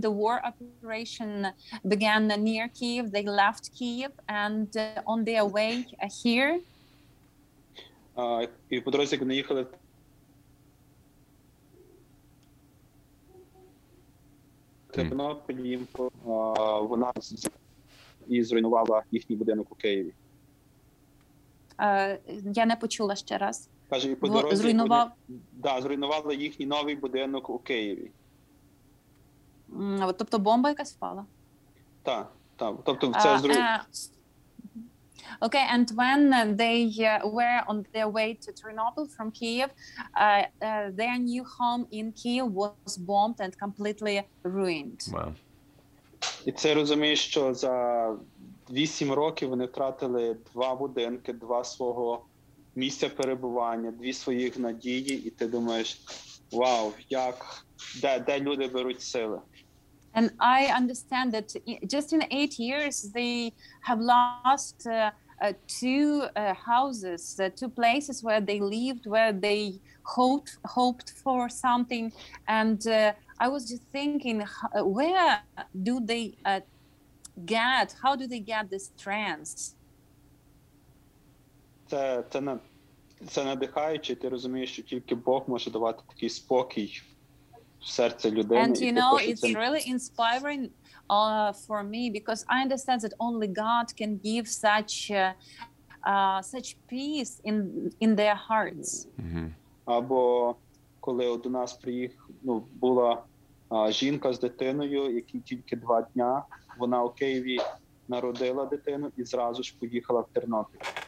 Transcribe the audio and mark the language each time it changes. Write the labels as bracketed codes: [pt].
[en] the war operation began near Kyiv, they left Kyiv and on their way here. [uk] І по дорозі, як вони їхали. Тернопіль, вона і зруйнувала їхній будинок у Києві. Я не почула ще раз. Каже, і по дорозі зруйнували їхній новий будинок у Києві. Тобто бомба якась впала? Так, так. Тобто це зруйнували. [en] Okay, and when they were on their way to Chernobyl from Kyiv, their new home in Kyiv was bombed and completely ruined. Wow. [uk] І це розумієш, що за 8 років вони втратили два будинки, два свого місця перебування, дві своїх надії, і ти думаєш, вау, як, де люди беруть сили? [en] And I understand that just in 8 years they have lost two houses, two places where they lived, where they hoped for something, and I was just thinking, where do they get, how do they get this trance? [uk] Це надихаюче, ти розумієш, що тільки Бог може давати такий спокій в серце людини. [en] And you know, it's really inspiring for me, because I understand that only God can give such such peace in their hearts. Mm-hmm. [uk] Або коли до нас була жінка з дитиною, якій тільки 2 дня, вона у Києві народила дитину і зразу ж поїхала в Тернопіль.